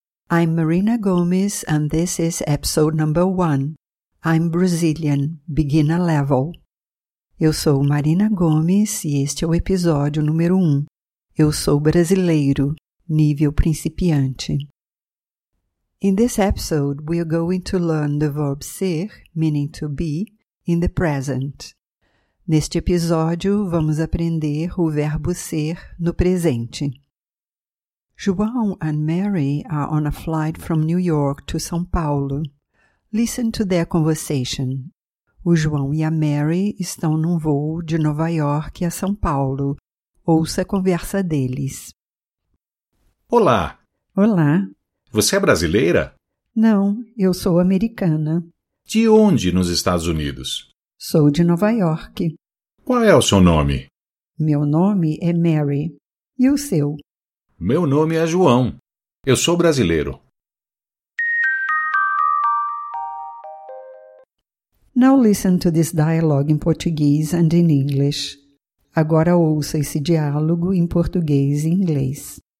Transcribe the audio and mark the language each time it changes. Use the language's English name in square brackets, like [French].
[English] I'm Marina Gomes and this is episode number 1. I'm Brazilian, beginner level. [Portuguese] Eu sou Marina Gomes e este é o episódio número 1. Eu sou brasileiro, nível principiante. [English] In this episode, we are going to learn the verb ser, meaning to be, in the present. [Portuguese] Neste episódio, vamos aprender o verbo ser no presente. [English] João and Mary are on a flight from New York to São Paulo. Listen to their conversation. [Portuguese] O João e a Mary estão num voo de Nova York a São Paulo. Ouça a conversa deles. Olá! Olá! Você é brasileira? Não, eu sou americana. De onde nos Estados Unidos? Sou de Nova York. Qual é o seu nome? Meu nome é Mary. E o seu? Meu nome é João. Eu sou brasileiro. [English] Now listen to this dialogue in Portuguese and in English. [Portuguese] Agora ouça esse diálogo em português e inglês.